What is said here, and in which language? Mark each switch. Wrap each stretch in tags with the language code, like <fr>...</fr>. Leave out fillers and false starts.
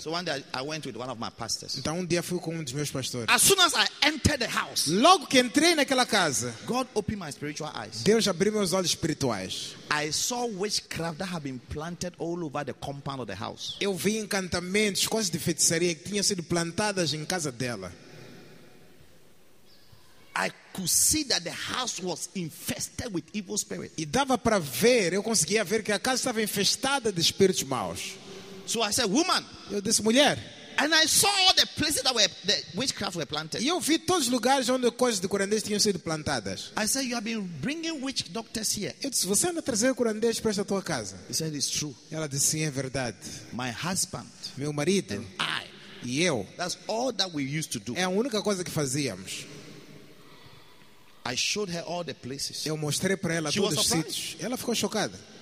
<en>So one day I went with one of my pastors.</en> <pt>Então dia fui com dos meus pastores.</pt> <en>As soon as I entered the house,</en> <pt>logo que entrei naquela casa,</pt> <en>God opened my spiritual eyes.</en> <pt>Deus abriu meus olhos espirituais.</pt> <en>I saw witchcraft that had been planted all over the compound of the house.</en> <pt>Eu vi encantamentos, coisas de feitiçaria que tinham sido plantadas em casa dela.</pt> <en>I could see that the house was infested with evil spirits.</en> <pt>E dava para ver, eu conseguia ver que a casa estava infestada de espíritos maus.</pt> <en>So I said, woman.</en> <pt>Eu disse, mulher.</pt> <en>And I saw all the places that were the witchcraft were planted.</en> <pt>E eu vi todos os lugares onde coisas de curandeiros tinham sido plantadas.</pt> <en>I said, you have been bringing witch doctors here.</en> <pt>Eu disse, você anda trazendo curandeiros para esta tua casa.</pt> <en>He said, it's true.</en> <pt>Ela disse, sim, é verdade.</pt> <en>My husband.</en> <pt>Meu marido.</pt> <en>And I.</en> <pt>E eu.</pt> <en>That's all that we used to do.</en> <pt>É a única coisa que fazíamos.</pt> <en>I showed her all the places.</en> <pt>Eu mostrei para ela todos os sítios. Ela ficou chocada.</pt>